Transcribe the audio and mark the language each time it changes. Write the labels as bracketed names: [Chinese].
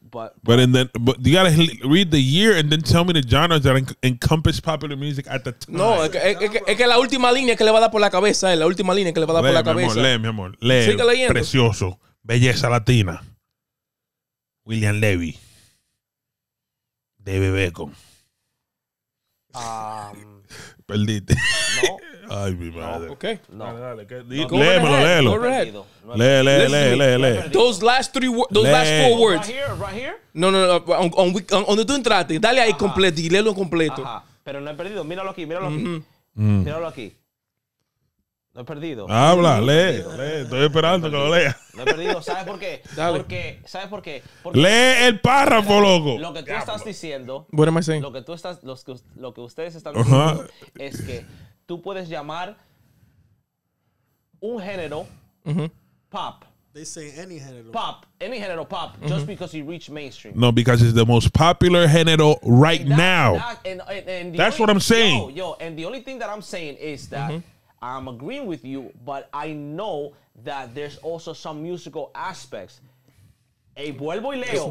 [English] But you gotta read the year and then tell me the genres that encompass popular music at the time. [Spanish] No, es que la última línea que le va a dar por la cabeza, es la última línea que le va a dar por la cabeza. Lee, mi amor, lee. Sigue leyendo. Precioso, belleza latina. William Levy. De Bebeco. Perdiste. No. Ay, mi madre. No. Okay. No. Léemelo, léelo. [English] Those last three four words. Right here? [Spanish] No. Donde tú entraste, dale ahí completo y léelo completo. Ajá. Pero no he perdido. Míralo aquí. Míralo aquí. No he perdido. Habla, lee. Estoy esperando que lo lea. No he perdido. ¿Sabes por qué? Dale. Lee el párrafo, loco. Lo que tú estás diciendo. [English] What am I saying? [Spanish] Lo que ustedes están diciendo es que tú puedes llamar un género pop. [English] They say any género. Pop. Any género pop. Mm-hmm. Just because you reach mainstream. No, because it's the most popular género right now. That's what I'm saying. And the only thing that I'm saying is that I'm agreeing with you, but I know that there's also some musical aspects [Spanish] Hey, vuelvo y leo.